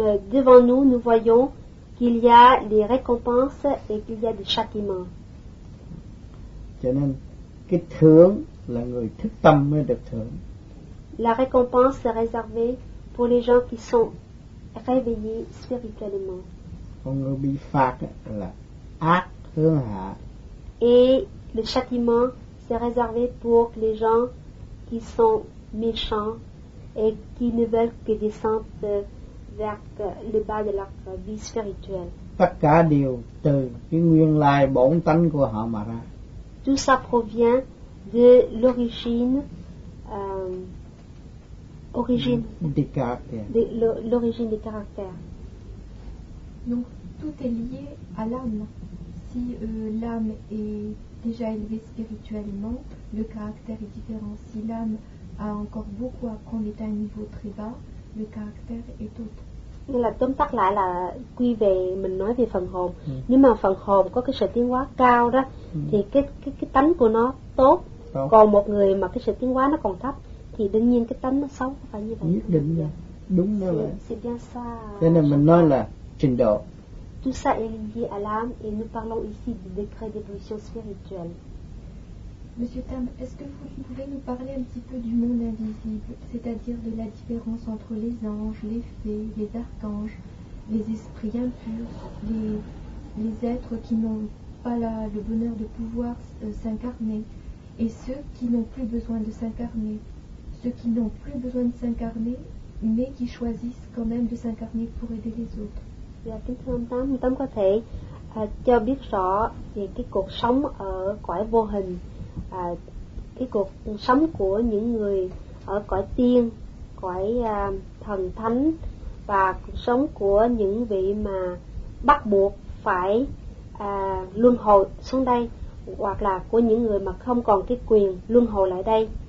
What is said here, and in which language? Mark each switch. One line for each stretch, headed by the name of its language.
French: Devant nous, nous voyons qu'il y a des récompenses et qu'il y a des châtiments.
Vietnamese: Cho nên, cái thưởng là người thức tâm mới được thưởng.
French: La récompense est réservée pour les gens qui sont réveillés spirituellement.
Vietnamese: Còn người bị phạt là ác hướng hạ.
French: Et le châtiment est réservé pour les gens qui sont méchants et qui ne veulent que descendre vers le bas de leur vie spirituelle.
Vietnamese: Tất cả đều từ cái nguyên lai bổn tánh của họ mà ra.
French: Tout ça provient de l'origine, l'origine des caractères. Donc tout est lié à l'âme. Si l'âme est déjà élevée spirituellement, le caractère est différent. Si l'âme a encore beaucoup à prendre et est à un niveau très bas, le caractère est autre.
Vietnamese: Nên là tóm tắt lại là quy về mình nói về phần hồn. Nếu mà phần hồn có cái sự tiến hóa cao đó thì cái tánh của nó tốt. Còn một người mà cái sự tiến hóa nó còn thấp thì đương nhiên cái tánh nó xấu, phải như vậy. Nhất định là đúng đó. Thế nên mình nói là trình độ.
French: Tout ça est lié à l'âme et nous parlons ici du décret d'évolution spirituelle. Monsieur Tam, est-ce que vous pouvez nous parler un petit peu du monde invisible, c'est-à-dire de la différence entre les anges, les fées, les archanges, les esprits impurs, les êtres qui n'ont pas le bonheur de pouvoir s'incarner, et ceux qui n'ont plus besoin de s'incarner, ceux qui n'ont plus besoin de s'incarner, mais qui choisissent quand même de s'incarner pour aider les autres. Oui, Tam, Tam,
Vietnamese: cho biết rõ về cái cuộc sống ở cõi vô hình, cái cuộc sống của những người ở cõi tiên, cõi thần thánh, và cuộc sống của những vị mà bắt buộc phải luân hồi xuống đây, hoặc là của những người mà không còn cái quyền luân hồi lại đây.